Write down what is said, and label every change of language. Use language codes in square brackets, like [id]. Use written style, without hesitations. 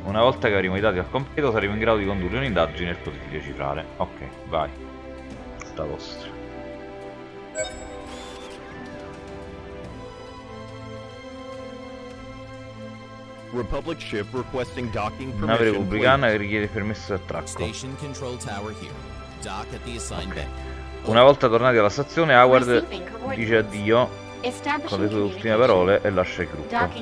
[it] Una volta che avremo i dati al completo saremo in grado di condurre un'indagine e poter decifrare. Ok, vai. Sta vostra. [en] Republic ship requesting docking permission. [it] Nave repubblicana che richiede permesso di attracco. [en] Station control tower here. Dock at the assigned bay. [it] Una volta tornati alla stazione, Howard dice addio con le sue ultime parole e lascia il gruppo.